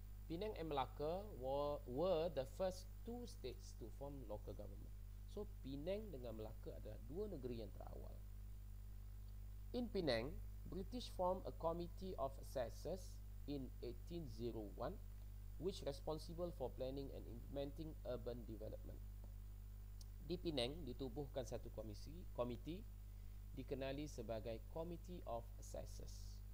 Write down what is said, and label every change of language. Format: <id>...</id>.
<en>Penang and Melaka were the first two states to form local government.</en> <ms>So, Penang dengan Melaka adalah dua negeri yang terawal.</ms> <en>In Penang, British formed a committee of assessors in 1801, which responsible for planning and implementing urban development.</en> <ms>Di Penang, ditubuhkan satu komiti dikenali sebagai Committee of Assessors.</ms>